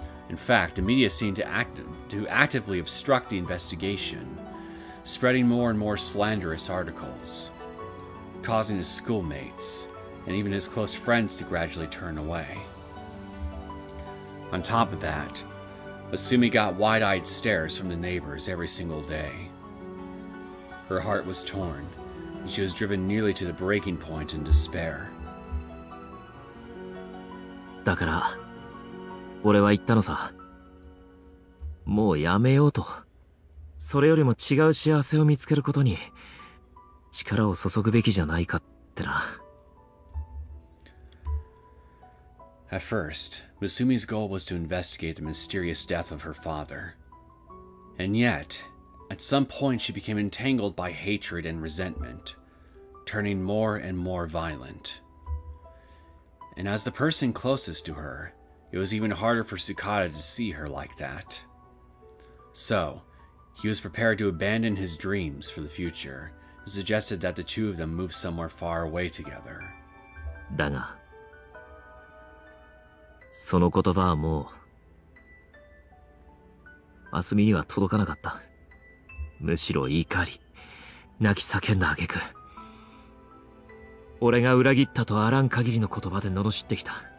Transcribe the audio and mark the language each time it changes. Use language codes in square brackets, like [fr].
[en] In fact, the media seemed to actively obstruct the investigation, spreading more and more slanderous articles, causing his schoolmates and even his close friends to gradually turn away. On top of that, Masumi got wide-eyed stares from the neighbors every single day. Her heart was torn, and she was driven nearly to the breaking point in despair. [ja] だから、 俺は言ったのさ。もうやめようと。それよりも違う幸せを見つけることに 力を注ぐべきじゃないかってな。 [en] At first, Masumi's goal was to investigate the mysterious death of her father. And yet, at some point she became entangled by hatred and resentment, turning more and more violent. And as the person closest to her, it was even harder for Tsukada to see her like that. So, he was prepared to abandon his dreams for the future, and suggested that the two of them move somewhere far away together. [ja] だが、 その言葉はもう… 明日には届かなかった。むしろ怒り、 泣き叫んだ挙句、 俺が裏切ったとあらん限りの言葉で罵ってきた。